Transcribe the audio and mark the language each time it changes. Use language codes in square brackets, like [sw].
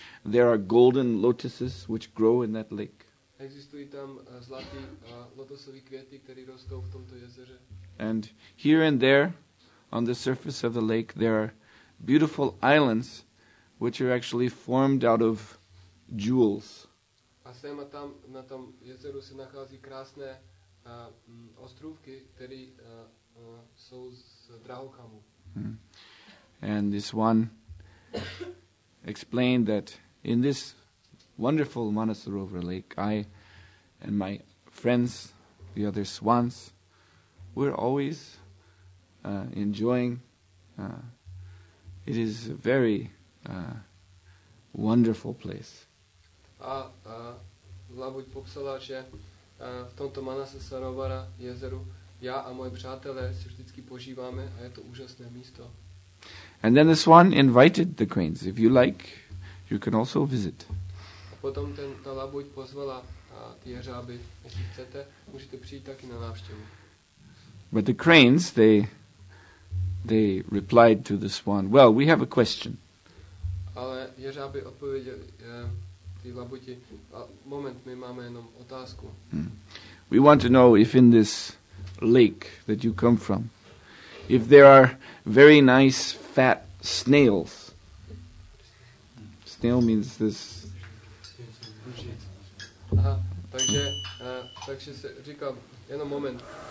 [en] There are golden lotuses which grow in that lake. [cs] Existují tam zlatý lotosový květy, které rostou v tomto jezeře. [en] And here and there on the surface of the lake there are beautiful islands which are actually formed out of jewels. [cs] A sem a tam na tom jezeru se nachází krásné ostrůvky, které jsou z drahokamů. [en] And this one explained that in this wonderful Manasarovara Lake, I and my friends, the other swans, we're always enjoying. It is a very wonderful place. [cs] A labuť popsala, že v tomto Manasarovara jezeru já a moji přátelé si vždycky požíváme a je to úžasné místo. [en] And then the swan invited the cranes. If you like, you can also visit. [cs] A potom ta labuť pozvala ty jeřáby. Jestli chcete, můžete přijít taky na návštěvu. [en] But the cranes, they replied to the swan, well, we have a question. [cs] Ale jeřáby odpověděli ty labuti, moment, my máme jenom otázku. [en] We want to know if in this lake that you come from, if there are very nice fat snails. Snail means this. [cs] Aha, takže, takže se říkám, jenom moment.